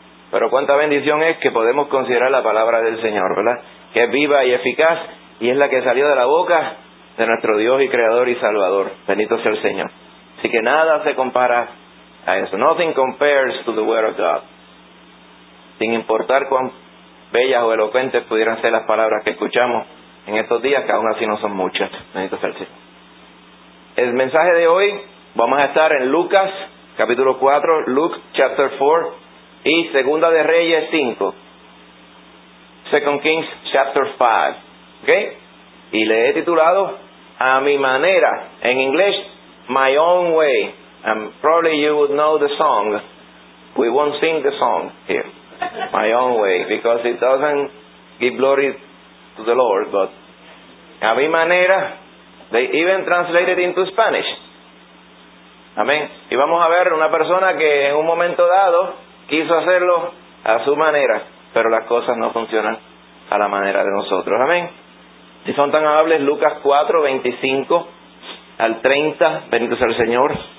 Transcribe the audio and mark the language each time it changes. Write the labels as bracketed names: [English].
[Spanish] Pero cuánta bendición es que podemos considerar la palabra del Señor, ¿verdad? Que es viva y eficaz, y es la que salió de la boca de nuestro Dios y Creador y Salvador. Bendito sea el Señor. Así que nada se compara a eso. [English] Nothing compares to the Word of God. [Spanish] Sin importar cuán bellas o elocuentes pudieran ser las palabras que escuchamos en estos días, que aún así no son muchas. Bendito sea el Señor. El mensaje de hoy, vamos a estar en Lucas, capítulo 4, [English] Luke, chapter 4, [Spanish] y Segunda de Reyes 5. [English] Second Kings, chapter 5. [Spanish] ¿Ok? Y le he titulado A Mi Manera, en inglés, [English] My Own Way. And probably you would know the song. We won't sing the song here. My Own Way, because it doesn't give glory to the Lord, but A Mi Manera, they even translated into Spanish. [Spanish] Amén. Y vamos a ver una persona que en un momento dado quiso hacerlo a su manera, pero las cosas no funcionan a la manera de nosotros. Amén. Si son tan amables, Lucas 4, 25 al 30, bendito sea el Señor.